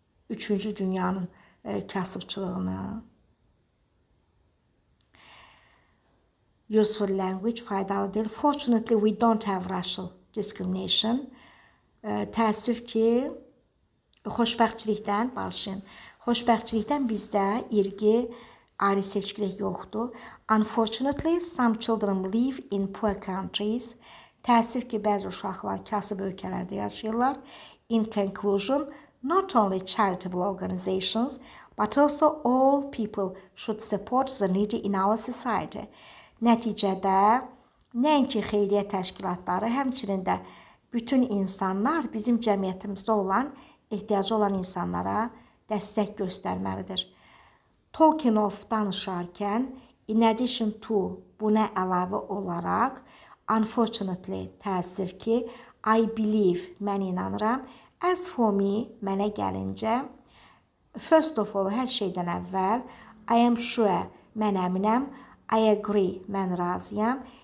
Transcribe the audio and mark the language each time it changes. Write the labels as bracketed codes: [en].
[az] Üçüncü dünyanın kasıbçılığını. [en] Useful language, [az] faydalı dil. [en] Fortunately, we don't have racial discrimination. [az] Təəssüf ki, xoşbəxtçilikdən, başlayın. Xoşbəxtçilikdən bizdə irqi, ayrı seçkilik yoxdur. [en] Unfortunately, some children live in poor countries. [az] Təəssüf ki, bəzi uşaqlar kasıb ölkələrdə yaşayırlar. [en] In conclusion, not only charitable organizations, but also all people should support the needy in our society. [az] Nəticədə, nəinki xeyriyyə təşkilatları, həmçinin də bütün insanlar bizim cəmiyyətimizdə olan, ehtiyacı olan insanlara dəstək göstərməlidir. [en] Talking of [az] danışarkən, [en] in addition to, [az] buna əlavə olaraq, [en] unfortunately, [az] təəssüf ki, [en] I believe, [az] mən inanıram, [en] as for me, [az] mənə gəlincə, [en] first of all, [az] hər şeydən əvvəl, [en] I am sure, [az] mən əminəm, [en] I agree, [az] mən razıyam.